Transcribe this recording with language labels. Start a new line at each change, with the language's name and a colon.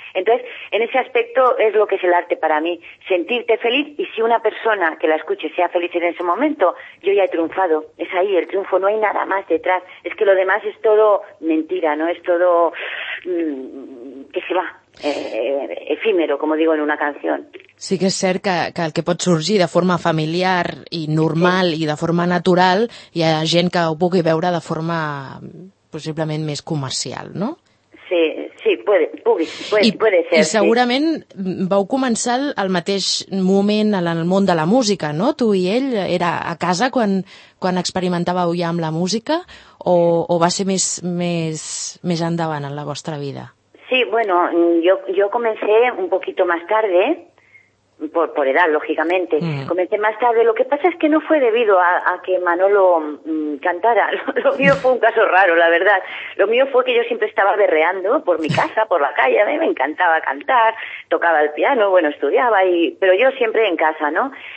Spanish: Entonces, en ese aspecto es lo que es el arte para mí, sentirte feliz, y si una persona que la escuche sea feliz en ese momento, yo ya he triunfado. Es ahí el triunfo, no hay nada más detrás. Es que lo demás es todo mentira, ¿no? Es todo que se va, efímero, como digo en una canción.
Catalan: Sí que és cert que el que pot sorgir de forma familiar i normal i de forma natural, hi ha gent que ho pugui veure de forma possiblement més comercial, no?
Spanish: Sí, Puede ser.
Catalan: I segurament sí. Vau començar al mateix moment en el món de la música, no? Tu i ell era a casa quan experimentàveu ja amb la música o va ser més endavant en la vostra vida?
Spanish: Sí, bueno, yo comencé un poquito más tarde, por edad, lógicamente. Mm. Comencé más tarde. Lo que pasa es que no fue debido a que Manolo cantara. Lo mío fue un caso raro, la verdad. Lo mío fue que yo siempre estaba berreando por mi casa, por la calle. A mí me encantaba cantar, tocaba el piano, bueno, estudiaba, pero yo siempre en casa, ¿no?